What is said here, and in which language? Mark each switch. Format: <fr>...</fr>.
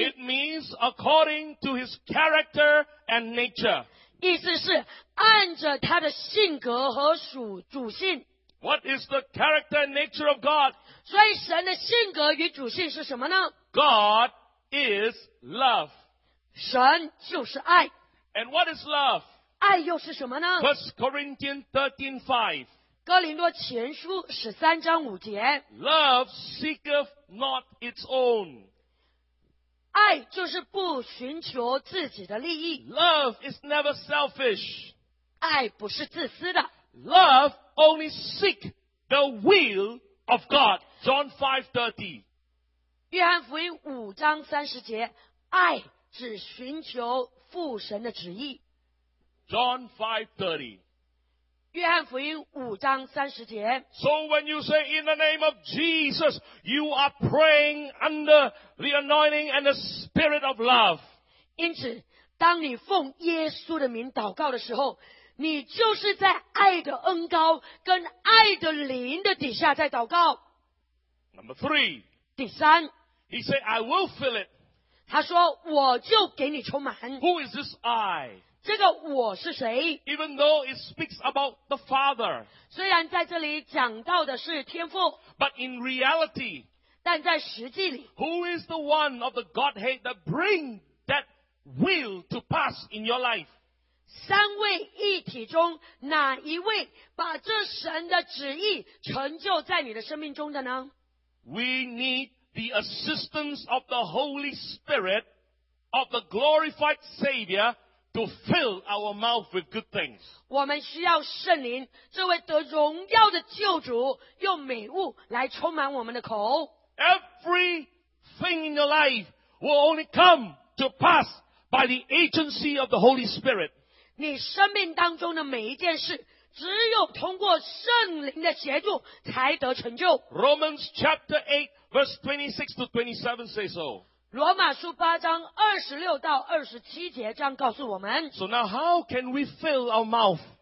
<en>it means according to his character and nature.</en> <zh>意思是按着他的性格和属性。</zh> <en>What is the character and nature of God?</en> <zh>所以神的性格与主性是什么呢？</zh> <en>God is love.</en> <zh>神就是爱。</zh> <en>And what is love?</en> <zh>爱又是什么呢？</zh> <en>1 Corinthians 13:5，</en> <zh>哥林多前书13:5，</zh> <en>Love seeketh not its own，</en> <zh>爱就是不寻求自己的利益。</zh> <en>Love is never selfish，</en> <zh>爱不是自私的。</zh> <en>Love only seek the will of God， John 5:30，</en> <zh>约翰福音5:30，爱只寻求父神的旨意。</zh> <en>John 5:30，</en> <zh>约翰福音5:30。</zh> <en>So when you say in the name of Jesus, you are praying under the anointing and the spirit of love，</en> <zh>因此当你奉耶稣的名祷告的时候，你就是在爱的恩膏跟爱的灵的底下在祷告。</zh> <en>Number 3，</en> <zh>第三，</zh> <en>He said I will fill it，</en> <zh>他说我就给你充满。</zh> <en>Who is this I？</en> <zh>这个我是谁？</zh> <en>Even though it speaks about the Father，</en> <zh>虽然在这里讲到的是天父，</zh> <en>But in reality，</en> <zh>但在实际里，</zh> <en>Who is the one of the Godhead that bring that will to pass in your life？</en> <zh>三位一体中哪一位把这神的旨意成就在你的生命中的呢？</zh> <en>We need the assistance of the Holy Spirit of the glorified Savior to fill our mouth with good things.</en> <zh>我们需要圣灵，这位得荣耀的救主用美物来充满我们的口。</zh> <en>Everything in your life will only come to pass by the agency of the Holy Spirit.</en> <zh>你生命当中的每一件事，只有通过圣灵的协助才得成就。</zh> <en>Romans 8:26-27 say so。</en> <zh>罗马书8:26-27这样告诉我们。</zh> <en>So now how can we fill our mouth？</en>